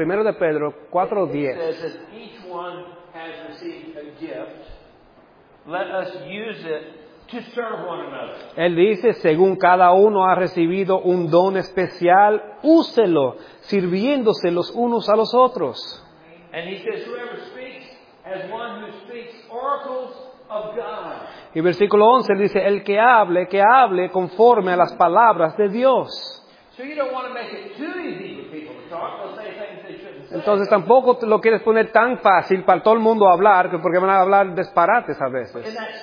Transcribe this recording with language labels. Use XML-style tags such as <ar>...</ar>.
<es>en 1 de Pedro 4:10,</es> <en>each one has received a gift, let us use it to serve one another.</en> <es>Él dice, según cada uno ha recibido un don especial, úselo, sirviéndose los unos a los otros.</es> <en>And he says, whoever speaks as one who speaks oracles of God.</en> <es>Y versículo 11 dice, el que hable conforme a las palabras de Dios.</es> <en>So you don't want to make it too easy for people to talk. They'll say things they shouldn't say.</en> <es>Entonces tampoco lo quieres poner tan fácil para todo el mundo hablar, porque van a hablar disparates a veces.</es>